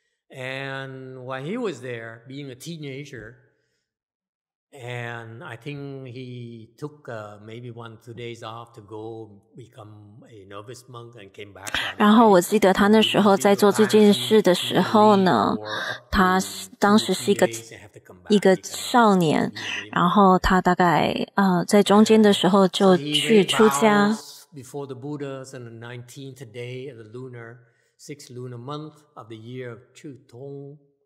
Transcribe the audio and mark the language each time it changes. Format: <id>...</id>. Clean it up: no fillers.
<en>And when he was there, being a teenager, and I think he took maybe one two days off to go become a novice monk and came back.</en> <zh>然后我记得他那时候在做这件事的时候呢，他当时是一个少年，然后他大概在中间的时候就去出家。</zh> <en>Before the Buddhas on the 19th day of the lunar sixth lunar month of the year of Chu Tong.</en>